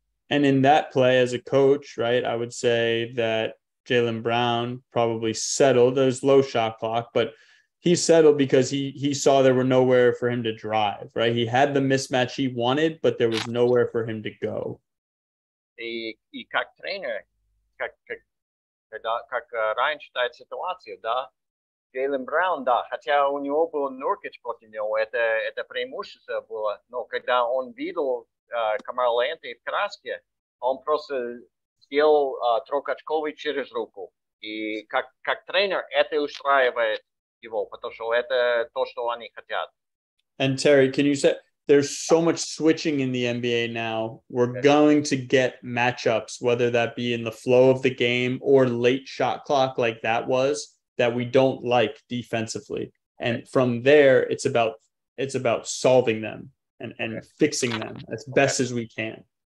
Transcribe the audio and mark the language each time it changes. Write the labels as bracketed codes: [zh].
[en] And in that play, as a coach, right, I would say that Jaylen Brown probably settled. There's low shot clock, but he settled because he saw there were nowhere for him to drive, right? He had the mismatch he wanted, but there was nowhere for him to go. [ru] И как тренер, как Райан считает ситуацию, да, Jaylen Brown, да, хотя у него был Nurkic против него, это преимущество было, но когда он видел Carmelo Anthony в краске, он просто сделал трокачковый через руку. И как тренер это устраивает его, потому что это то, что они хотят. [en] And Terry, can you say, there's so much switching in the NBA now. We're going to get matchups, whether that be in the flow of the game or late shot clock like that was, that we don't like defensively. And from there, it's about solving them and fixing them as best as we can.